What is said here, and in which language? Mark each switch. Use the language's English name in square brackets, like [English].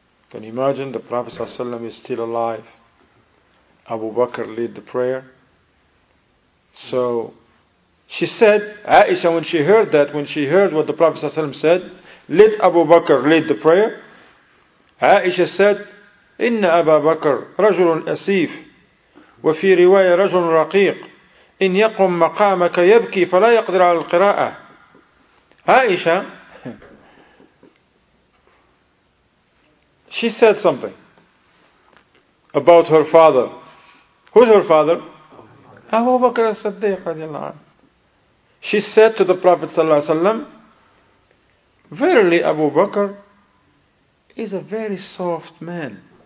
[English] Can you imagine the Prophet ﷺ is still alive? Abu Bakr led the prayer. So she said, Aisha, when she heard that, when she heard what the Prophet ﷺ said, let Abu Bakr lead the prayer. Aisha said, [Arabic] Inna Abu Bakr, رجل أسيف وفي رواية رجل رقيق إن يقم مقامك يبكي فلا يقدر على القراءة. [English] Aisha, she said something about her father. Who's her father? Abu Bakr as-Siddiq radiallahu anhu. She said to the Prophet sallallahu alaihi wasallam, verily Abu Bakr is a very soft man.